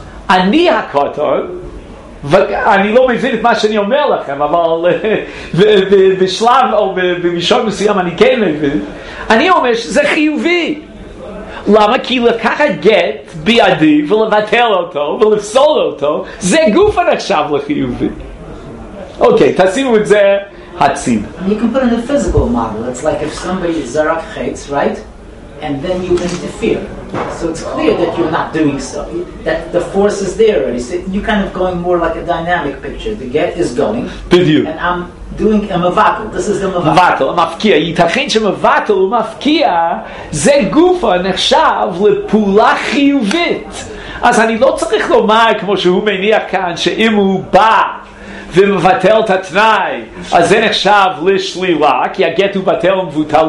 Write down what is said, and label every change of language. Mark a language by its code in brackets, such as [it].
[he] אני הקוטון, ואני לא מבין את מה שאני אומר לכם, אבל בשלב או במישור מסוים אני כן מבין. אני אומר שזה חיובי. למה? כי לקחת גט בידי ולבטל אותו ולפסול אותו, זה גוף הנחשב לחיובי. אוקיי, תשימו את זה הציד. [en] You can put in a physical model. It's like if somebody zarak chets, right? And then you interfere. So it's clear that you're not doing so. That the force is there already. So you're kind of going more like a dynamic picture. The get is going. [he] בדיוק. [en] And I'm doing a mavatl. This is the mavatl. [he] מבטל, המפקיע. ייתכן שמבטל ומפקיע זה גופה נחשב לפעולה חיובית. אז אני לא צריך לומר כמו שהוא מניח כאן שאם הוא בא ומבטל את התנאי, אז זה נחשב לשלילה, כי הגט הוא בטל ומבוטל.